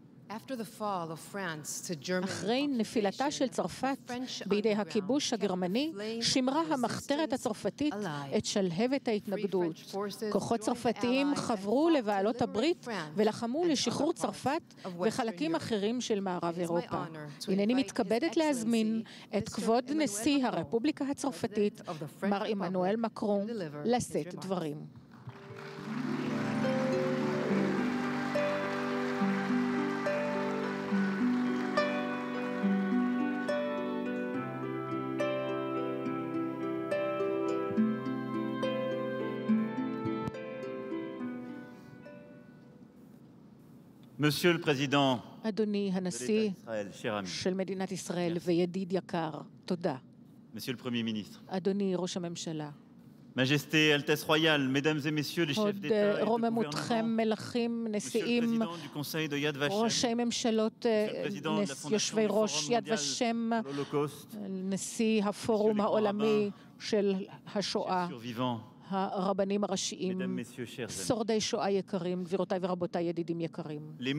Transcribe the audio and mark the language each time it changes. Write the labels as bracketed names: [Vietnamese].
[English] After the fall of France to Germany, [Hebrew] אחרי נפילתה של צרפת בידי הכיבוש הגרמני, שמרה המחתרת הצרפתית את שלהבת ההתנגדות. כוחות צרפתיים חברו לבעלות הברית ולחמו לשחרור צרפת וחלקים אחרים של מערב אירופה. הנני מתכבדת להזמין את כבוד נשיא הרפובליקה הצרפתית, מר עמנואל מקרון, לשאת דברים. [French] Monsieur le Président, [Hebrew] אדוני הנשיא של מדינת ישראל וידיד יקר, תודה. [French] Monsieur le Premier ministre, [Hebrew] אדוני ראש הממשלה, [French] Majesté, Altesse Royale, Mesdames et Messieurs, les chefs d'État et de gouvernement, Monsieur le Président du Conseil de Yad Vashem, Monsieur le Président de la Fondation Yad Vashem, [Hebrew] נשיא הפורום העולמי של השואה, הרבנים הראשיים, שורדי שואה יקרים, גבירותיי ורבותיי, ידידים יקרים.